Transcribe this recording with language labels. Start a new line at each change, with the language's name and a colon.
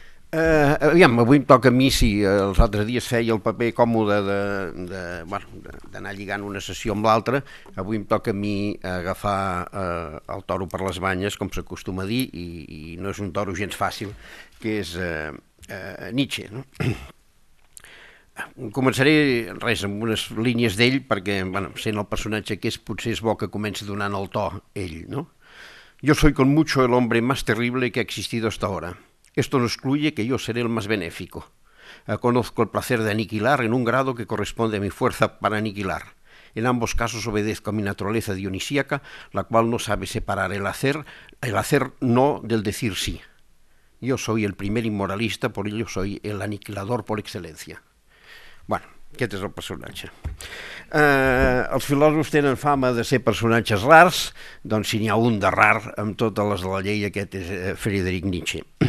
Catalan: Aviam, avui em toca a mi, si els altres dies feia el paper còmode d'anar lligant una sessió amb l'altra, avui em toca a mi agafar el toro per les banyes, com s'acostuma a dir, i no és un toro gens fàcil, que és Nietzsche, no? Començaré res amb unes línies d'ell, perquè, bueno, sent el personatge que és, potser és bo que comenci donant el to ell, no?
Spanish: Yo soy con mucho el hombre más terrible que ha existido hasta ahora. Esto no excluye que yo seré el más benéfico. Conozco el placer de aniquilar en un grado que corresponde a mi fuerza para aniquilar. En ambos casos obedezco a mi naturaleza dionisíaca, la cual no sabe separar el hacer no del decir sí. Yo soy el primer inmoralista, por ello soy el aniquilador por excelencia.
Catalan: Bueno, aquest és el personatge. Els filòsofs tenen fama de ser personatges rars, doncs si n'hi ha un de rar amb totes les de la llei, aquest és Friedrich Nietzsche.